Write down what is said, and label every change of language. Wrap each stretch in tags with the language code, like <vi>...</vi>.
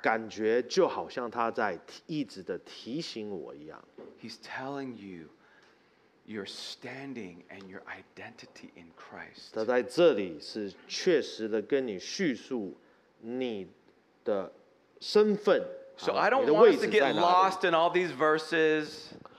<zh>感觉就好像他在一直的提醒我一样。</zh> <en>He's telling you your standing and your identity in Christ.</en> <zh>他在这里是确实的跟你叙述你 的身份,</zh> <en>so I don't want us to get lost in all these verses.</en>